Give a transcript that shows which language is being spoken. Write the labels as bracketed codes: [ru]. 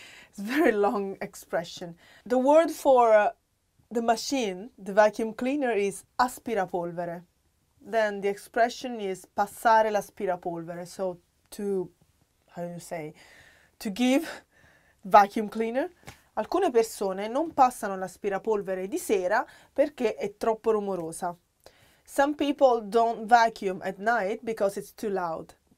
[en] It's a very long expression. The word for the machine, the vacuum cleaner, is aspirapolvere. Then the expression is passare l'aspirapolvere. So to, how do you say, to give vacuum cleaner. [it] Alcune persone non passano l'aspirapolvere di sera perché è troppo rumorosa. [en] Some people don't vacuum at night because it's too loud.